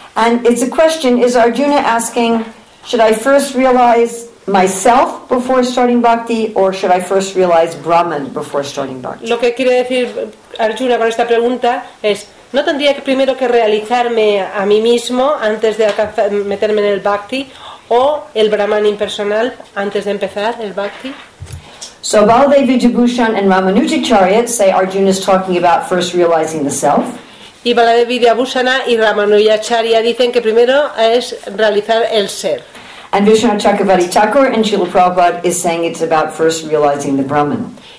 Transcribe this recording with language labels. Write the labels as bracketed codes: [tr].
[en] And it's a question: is Arjuna asking, should I first realize myself before starting bhakti, or should I first realize Brahman before starting bhakti? [es] Lo que quiere decir Arjuna con esta pregunta es, ¿no tendría que primero que realizarme a mí mismo antes de meterme en el bhakti, o el Brahman impersonal antes de empezar el bhakti? [en] So Baladev Vijayabhushan and Ramanujacharya say Arjuna is talking about first realizing the self. [es] Y Baladev Vijayabhushan y Ramanujacharya dicen que primero es realizar el ser. [en] And Vishwanath Chakravarti Thakur and Srila Prabhupada is saying it's about first realizing the Brahman.